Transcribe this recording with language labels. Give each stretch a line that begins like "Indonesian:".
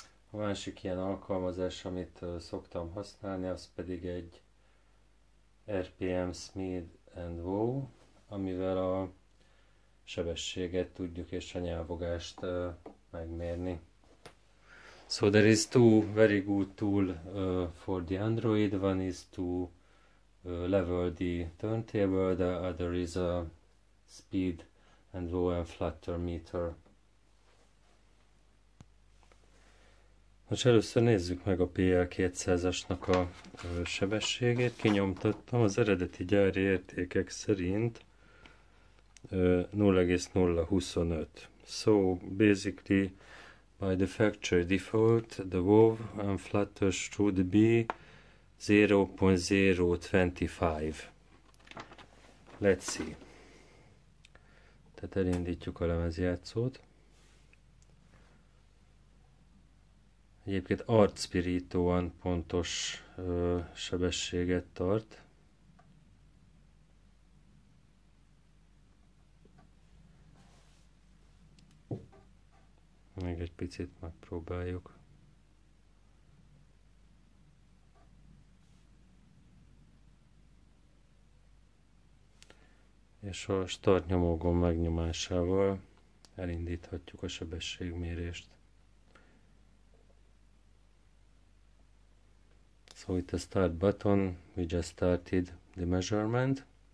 Hungarian: A másik ilyen alkalmazás, amit szoktam használni, az pedig egy RPM Speed and Wow, amivel a sebességet tudjuk és a nyávogást megmérni.
English: So there is two very good tool for the Android. One is to level the turntable, the other is a speed and wow and flutter meter.
Hungarian: Most először nézzük meg a PL200-asnak a sebességét. Kinyomtattam az eredeti gyári értékek szerint 0,025.
English: So basically by the factory default the wow and flutter should be 0,025. Let's see.
Hungarian: Tehát elindítjuk a lemezjátszót. Egyébként arcpirítóan pontos sebességet tart. Még egy picit megpróbáljuk. És a start nyomógomb megnyomásával elindíthatjuk a sebességmérést.
English: So with the start button, we just started the measurement.